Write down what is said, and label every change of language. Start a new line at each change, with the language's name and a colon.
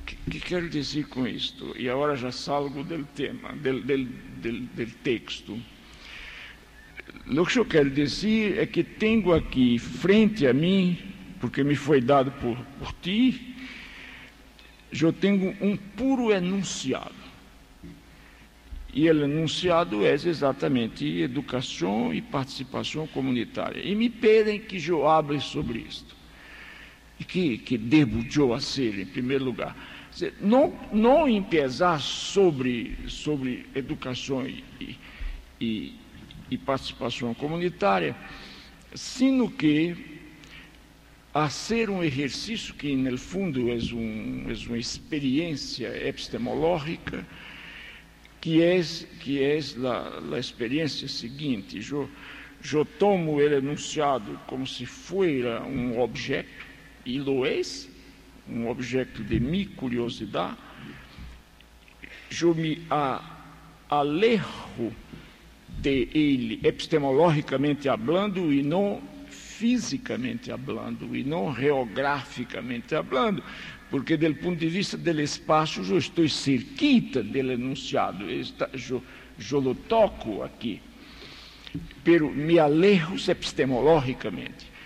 Spanish: ¿Qué quiero decir con esto? Y ahora ya salgo del tema, del texto. Lo que yo quiero decir es que tengo aquí frente a mí, porque me fue dado por ti, yo tengo un puro enunciado.
Portuguese: E o enunciado é exatamente educação e participação comunitária. E me pedem que eu hable sobre isto. E que devo eu fazer, em primeiro lugar? Não empezar sobre educação e participação comunitária, sino que fazer um exercício que, no fundo, é uma experiência epistemológica,
Spanish: que es la experiencia siguiente. Yo tomo el enunciado como si fuera un objeto, y lo es, un objeto de mi curiosidad. Yo me alejo de él epistemológicamente hablando y no físicamente hablando, y no geográficamente hablando, porque, del punto de vista del espacio, yo estoy cerquita del enunciado, yo lo toco aquí, pero me alejo epistemológicamente.